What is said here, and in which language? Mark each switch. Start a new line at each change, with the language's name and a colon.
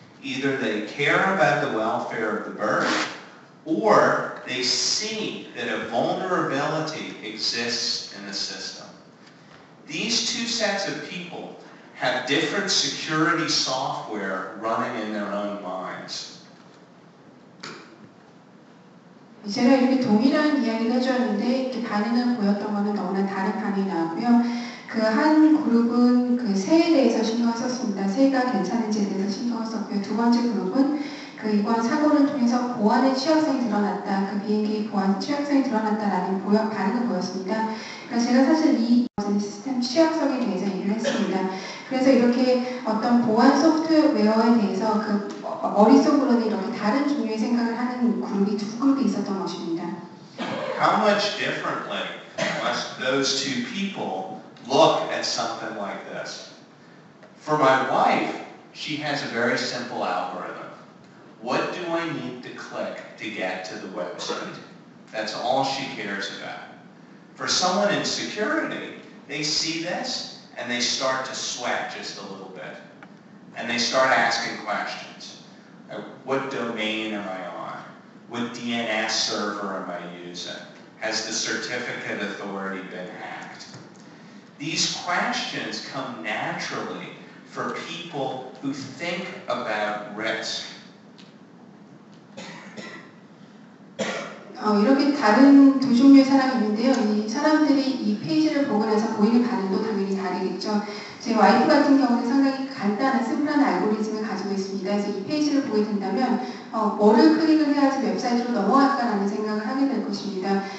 English: Either they care about the welfare of the bird, or they see that a vulnerability exists in the system. These two sets of people have different security software running in their own minds.
Korean: 제가 이렇게 동일한 이야기를 해줬는데 이렇게 반응을 보였던 것은 너무나 다른 반응이 나왔고요. 그 한 그룹은 그 새에 대해서 신경을 썼습니다. 새가 괜찮은지에 대해서 신경을 썼고요. 두 번째 그룹은 그 이번 사고를 통해서 보안의 취약성이 드러났다. 그 비행기 보안 취약성이 드러났다라는 반응을 보였습니다. 그러니까 제가 사실 이 시스템 취약성에 대해서 얘기를 했습니다. 그래서 이렇게 어떤 보안 소프트웨어에 대해서 그 머릿속으로는 이렇게 다른 종류의 생각을 하는 그룹이 두 그룹이 있었던 것입니다.
English: How much differently must those two people look at something like this? For my wife, she has a very simple algorithm. What do I need to click to get to the website? That's all she cares about. For someone in security, they see this and they start to sweat just a little bit. And they start asking questions. What domain am I on? What DNS server am I using? Has the certificate authority been hacked? These questions come naturally for people who think about risk.
Korean: 이렇게 다른 두 종류의 사람이 있는데요. 이 사람들이 이 페이지를 보고 나서 보이는 반응도 당연히 다르겠죠. 제 와이프 같은 경우는 상당히 간단한 심플한 알고리즘을 가지고 있습니다. 그래서 이 페이지를 보게 된다면 뭐를 클릭을 해야지 웹사이트로 넘어갈까라는 생각을 하게 될 것입니다.